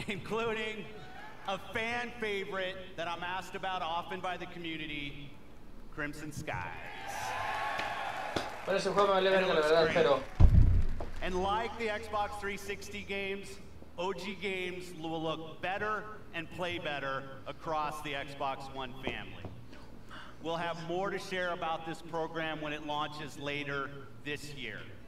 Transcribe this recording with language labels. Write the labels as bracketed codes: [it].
[en] Including a fan favorite that I'm asked about often by the community, Crimson Skies. [es] Bueno, ese juego me vale verga, la verdad, pero... [en] And like the Xbox 360 games, OG games will look better and play better across the Xbox One family. We'll have more to share about this program when it launches later this year.